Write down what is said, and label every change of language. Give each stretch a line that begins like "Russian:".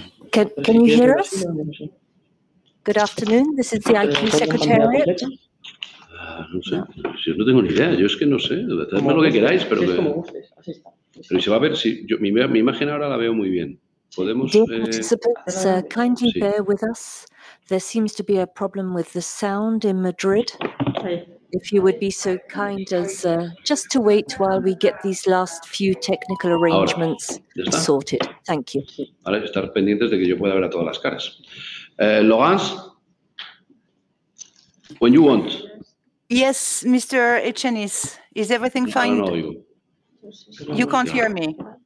English: Can you hear us? Good afternoon. This is the IPU secretariat.
Spanish: No sé. Yo no tengo ni idea. Yo es que no sé. Hacedme lo que queráis, pero que. Pero se va a ver. Si yo, mi imagen ahora la veo muy bien. Podemos.
English: Dear participants, kindly bear with us. There seems to be a problem with the sound in Madrid. If you would be so kind as just to wait while we get these last few technical arrangements sorted. Thank you.
Spanish: Vale, estar pendientes de que yo pueda ver a todas las caras.
English: Laurence, when you want. Yes, Mr. Echenis, is everything fine? I don't know you. You can't hear me.